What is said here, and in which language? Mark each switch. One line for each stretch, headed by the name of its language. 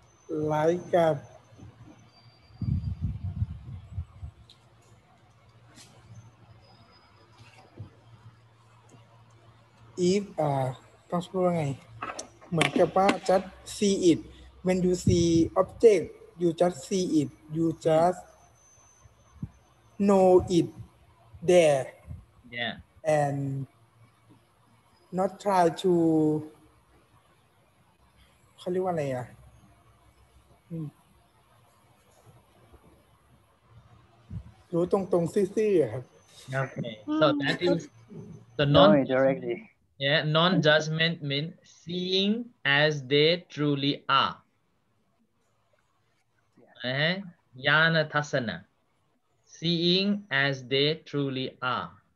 English: Like if
Thai: ต้องพูดว่าไงเหมือนกับว่า
English: just see it when you see object you just see it you just know it there yeah and not try to
Thai: เขาเรียกว่าอะไรอ่ะรู้ตรงๆซื่อๆครับ
English: okay so that is the non directly Yeah, non-judgment means seeing as they truly are. Yeah. Jnana tasana. Seeing as they truly are.